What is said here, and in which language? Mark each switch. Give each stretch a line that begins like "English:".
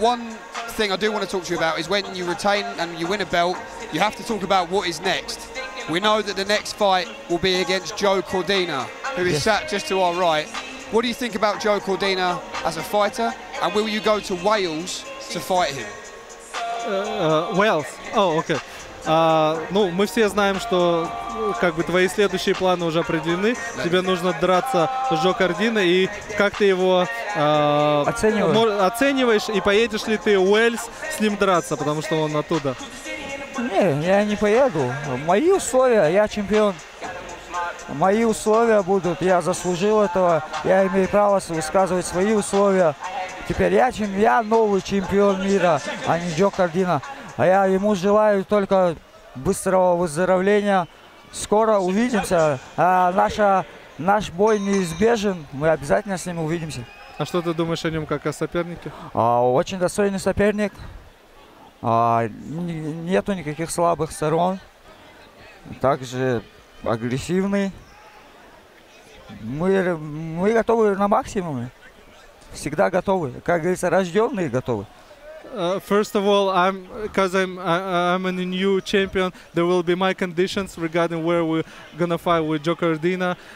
English: One thing I do want to talk to you about is when you retain and you win a belt, you have to talk about what is next. We know that the next fight will be against Joe Cordina, who is sat just to our right. What do you think about Joe Cordina as a fighter, and will you go to Wales to fight him? Wales? Oh, okay.
Russian: Мы все знаем, что твои следующие планы уже определены. Тебе нужно драться с Джо Кордино, и как ты его оцениваешь, и поедешь ли ты в Уэльс с ним драться, потому что он оттуда? Не, я не поеду. Мои условия, я чемпион. Мои условия будут, я заслужил этого, я имею право высказывать свои условия. Теперь я новый чемпион мира, а не Джо Кордино. А я ему желаю только быстрого выздоровления. Скоро увидимся. Наш бой неизбежен. Мы обязательно с ним увидимся. А что ты думаешь о нем как о сопернике? Очень достойный соперник. Нету никаких слабых сторон. Также агрессивный. Мы готовы на максимуме. Всегда готовы. Как говорится, рожденные готовы.
English: First of all, I'm a new champion. There will be my conditions regarding where we're gonna fight with Joe Cordina.